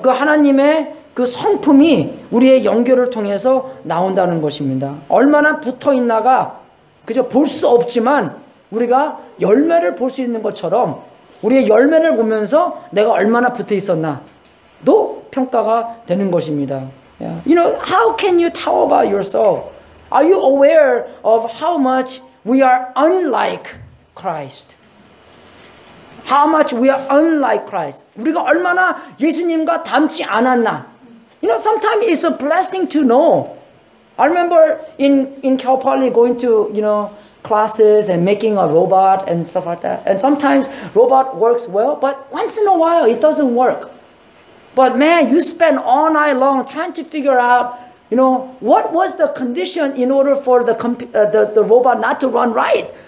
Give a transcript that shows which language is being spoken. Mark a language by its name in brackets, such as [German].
[Korean] 그 하나님의 그 성품이 우리의 연결을 통해서 나온다는 것입니다. 얼마나 붙어 있나가 그저 볼 수 없지만 우리가 열매를 볼 수 있는 것처럼 우리의 열매를 보면서 내가 얼마나 붙어 있었나도 평가가 되는 것입니다. [English] Yeah. You know, how can you tell about yourself? Are you aware of how much we are unlike Christ? How much we are unlike Christ? [Korean] 우리가 얼마나 예수님과 닮지 않았나? [English] You know, sometimes it's a blessing to know. I remember in Cal Poly going to, you know, classes and making a robot and stuff like that. And sometimes robot works well, but once in a while it doesn't work. But man, you spend all night long trying to figure out, you know, what was the condition in order for the robot not to run right?